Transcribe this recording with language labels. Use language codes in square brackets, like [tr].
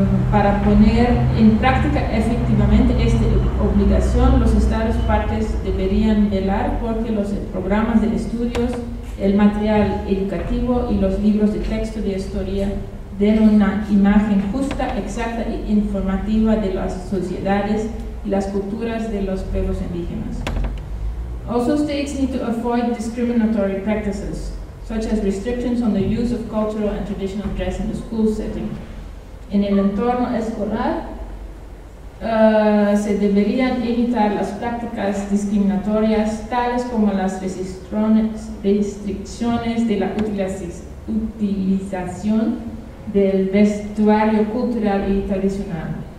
[es] para poner en práctica efectivamente esta obligación, los estados partes deberían velar porque los programas de estudios, el material educativo y los libros de texto de historia den una imagen justa, exacta e informativa de las sociedades y las culturas de los pueblos indígenas. [en] Also, states need to avoid discriminatory practices, such as restrictions on the use of cultural and traditional dress in the school setting. [es] En el entorno escolar, se deberían evitar las prácticas discriminatorias, tales como las restricciones de la utilización del vestuario cultural y tradicional.